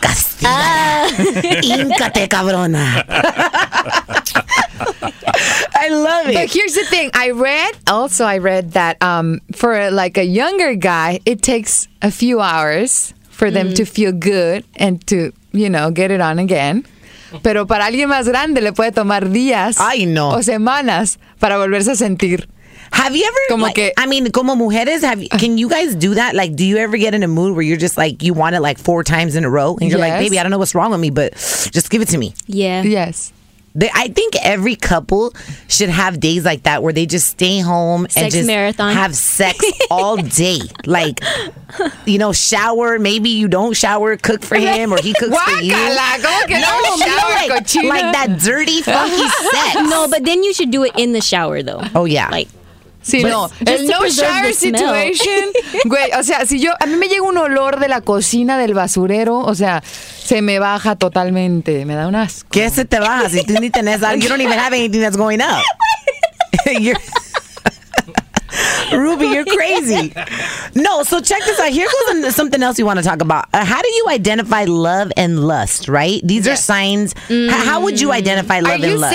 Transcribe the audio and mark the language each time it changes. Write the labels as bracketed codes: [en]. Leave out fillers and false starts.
[es] Castígala. Híncate, cabrona. [en] I love it. But here's the thing. I read that for like a younger guy, it takes a few hours for them to feel good and to, you know, get it on again. [es] Pero para alguien más grande le puede tomar días o semanas para volverse a sentir. [en] Have you ever, como like, que, I mean, [es] como mujeres, [en] can you guys do that? Like, do you ever get in a mood where you're just like, you want it like four times in a row? And you're like, baby, I don't know what's wrong with me, but just give it to me. Yeah. Yes. I think every couple should have days like that where they just stay home sex and just marathon. Have sex all day. Like, you know, shower. Maybe you don't shower, cook for him, or he cooks for you. Like that dirty, funky sex. No, but then you should do it in the shower, though. Oh, yeah. Like, [es] sí, [en] but no. [es] El no [en] shower situation. [es] Güey, o sea, si yo... A mí me llega un olor de la cocina, del basurero. O sea, se me baja totalmente. Me da un asco. ¿Qué se te baja? Si tú ni tenés... [en] You don't even have anything that's going up. Ruby, you're crazy. No, so check this out. Here goes something else you want to talk about. How do you identify love and lust, right? These are signs. How would you identify love and lust?